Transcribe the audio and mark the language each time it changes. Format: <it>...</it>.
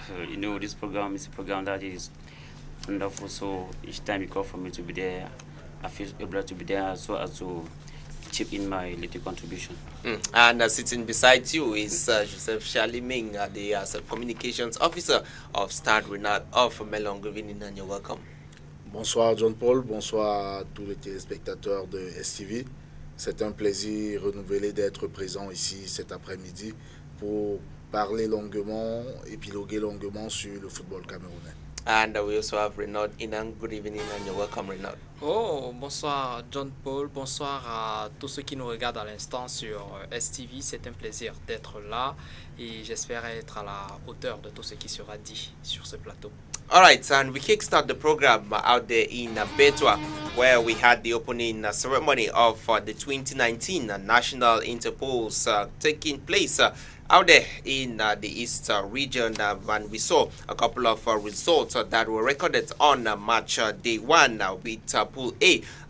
<en>You know, this program is a program that is wonderful, so each time you call for me to be there, I feel able to be there so as to chip in my little contribution. And sitting beside you is Joseph Charlie-Ming, the communications officer of Stade Renard of Melon. Good evening and you're welcome.</en> <fr>Bonsoir John Paul, bonsoir à tous les téléspectateurs de STV. C'est un plaisir renouvelé d'être présent ici cet après-midi pour parler longuement, épiloguer longuement sur le football camerounais.</fr> <en>And we also have Renaud Inan. Good evening and you're welcome, Renaud.</en> <fr>Oh, bonsoir John Paul, bonsoir à tous ceux qui nous regardent à l'instant sur STV. C'est un plaisir d'être là et j'espère être à la hauteur de tout ce qui sera dit sur ce plateau.</fr> <en>All right, and we kickstart the program out there in Bethwa, where we had the opening ceremony of the 2019 National Interpol taking place out there in the East region. And we saw a couple of results that were recorded on match day one with Pool A.</en>